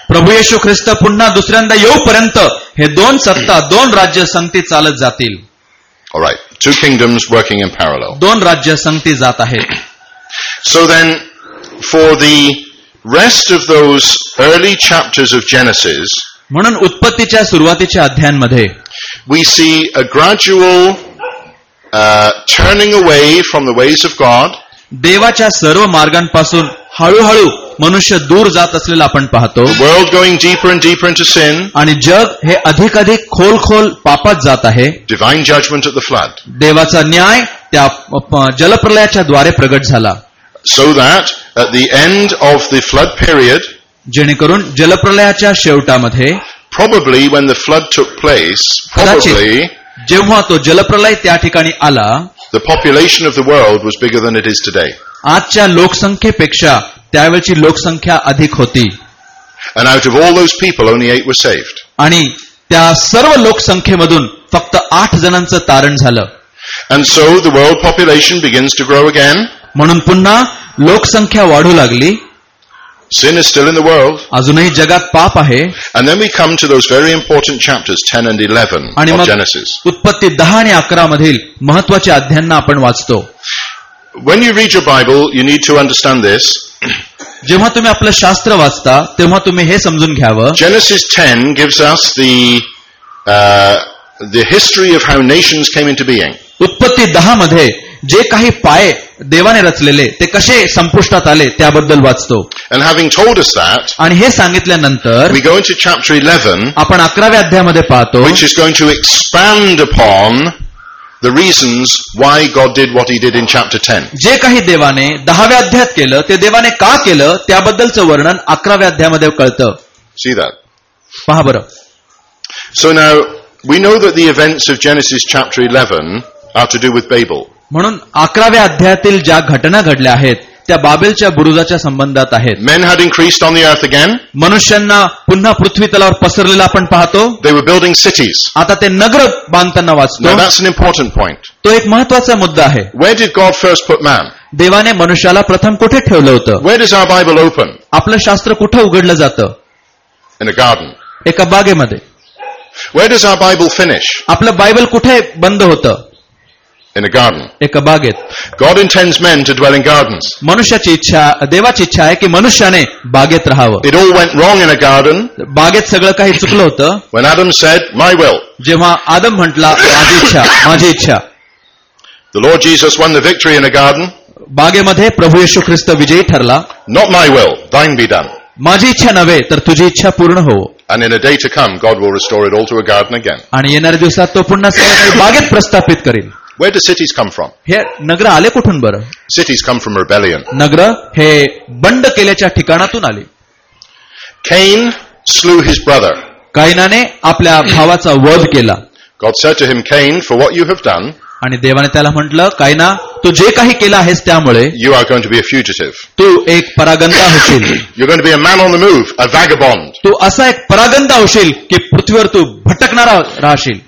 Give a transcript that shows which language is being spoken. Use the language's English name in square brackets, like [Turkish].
[Marathi] प्रभू येशू ख्रिस्त पुन्हा दुसऱ्यांदा येऊपर्यंत हे दोन सत्ता दोन राज्य संगती चालत जातील. [English] All right. Two kingdoms working in parallel. [Marathi] दोन राज्य संगती जात आहेत. [English] So then for the rest of those early chapters of Genesis, [Marathi] म्हणून उत्पत्तीच्या सुरुवातीच्या अध्यायांमध्ये [English] we see a gradual turning away from the ways of God. [Marathi] देवाच्या सर्व मार्गांपासून हळूहळू मनुष्य दूर जात असलेला आपण पाहतो. [English] The world going deeper and deeper into sin. [Marathi] आणि जग हे अधिक अधिक खोल खोल पापात जात आहे. [English] Divine judgment at the flood. [Marathi] देवाचा न्याय त्या जलप्रलयाच्या द्वारे प्रगट झाला. [English] So that at the end of the flood period, [Marathi] जेणेकरून जलप्रलयाच्या शेवटामध्ये [English] probably when the flood took place, probably [Marathi] जेव्हा तो जलप्रलय त्या ठिकाणी आला, [English] the population of the world was bigger than it is today. [Marathi] आजच्या लोकसंख्येपेक्षा त्यावेळची लोकसंख्या अधिक होती. [English] And out of all those people, only 8 were saved. [Marathi] आणि त्या सर्व लोकसंख्येमधून फक्त 8 जणांचं तारण झालं. [English] And so the world population begins to grow again. [Marathi] म्हणून पुन्हा लोकसंख्या वाढू लागली. [English] Sin is still in the world. [Marathi] अजूनही जगात पाप आहे. [English] And then we come to those very important chapters 10 and 11 of Genesis. [Marathi] उत्पत्ती 10 आणि 11 मधील महत्त्वाचे अध्यायांना आपण वाचतो. [English] When you read your Bible, you need to understand this. [Marathi] जेव्हा तुम्ही आपलं शास्त्र वाचता तेव्हा तुम्ही हे समजून घ्यावं. [English] Genesis 10 gives us the history of how nations came into being. [Marathi] उत्पत्ती 10 मध्ये जे काही पाये देवाने रचलेले ते कसे संपुष्टात आले त्याबद्दल वाचतो. [English] And having told us that, [Marathi] आणि हे सांगितल्यानंतर [English] we go into chapter 11, [Marathi] आपण 11व्या अध्यायामध्ये पाहतो, [English] which is going to expand upon the reasons why God did what he did in chapter 10. [Marathi] जे काही देवाने 10व्या अध्यायात केलं ते देवाने का केलं त्याबद्दलचं वर्णन 11व्या अध्यायामध्ये कळतं. [English] See that? [Marathi] पहा बरं. [English] So now we know that the events of Genesis chapter 11 are to do with Babel. [Marathi] म्हणून 11व्या अध्यायातील ज्या घटना घडल्या आहेत त्या बाबेलच्या बुरुजाच्या संबंधात आहेत. [English] Men had increased on the earth again. [Marathi] मनुष्यांना पुन्हा पृथ्वी तलावर पसरलेला आपण पाहतो. [English] They were building cities. [Marathi] आता ते नगर बांधताना वाचतो. [English] Now that's an important point. [Marathi] तो एक महत्त्वाचा मुद्दा आहे. [English] Where did God first put man? [Marathi] देवाने मनुष्याला प्रथम कुठे ठेवलं होतं? [English] Where does our Bible open? [Marathi] आपलं शास्त्र कुठे उघडलं जातं? [English] In a garden. [Marathi] एका बागेमध्ये. [English] Where does our Bible finish? [Marathi] आपलं बायबल कुठे बंद होतं? [English] In a garden. [Marathi] एका बागेत. [English] God intends men to dwell in gardens. [Marathi] मनुष्याची इच्छा देवाची इच्छा आहे की मनुष्याने बागेत राहावं. [English] It all went wrong in a garden. [Marathi] बागेत सगळं काही चुकलं होतं. [English] When Adam said, "My will." [Marathi] जेव्हा आदम म्हटला माझी इच्छा माझी इच्छा. [English] The Lord Jesus won the victory in a garden. [Marathi] बागेमध्ये प्रभू येशू ख्रिस्त विजयी ठरला. [English] Not my will, thine be done. [Marathi] माझी इच्छा नव्हे तर तुझी इच्छा पूर्ण हो. [English] And in a day to come, God will restore it all to a garden again. [Marathi] आणि येणाऱ्या दिवसात तो पुन्हा सगळं काही बागेत प्रस्थापित करेल. [English] Where do cities come from? [Marathi] हे नगर आले कुठून बरं? [English] Cities come from rebellion. [Marathi] नगर हे बंड केल्याच्या ठिकाणातून आले. [English] Cain slew his brother. [Marathi] कायनाने आपल्या भावाचा वध केला. [English] God said to him, Cain, for what you have done. [Marathi] आणि देवाने त्याला म्हटलं, कायना तू जे काही केलं आहेस त्यामुळे [English] you are going to be a fugitive. [Marathi] तू एक परागंदा होशील. [English] You're going to be a man on the move, a vagabond. [Marathi] तू असा एक परागंदा होशील की पृथ्वीवर तू भटकणारा राहशील.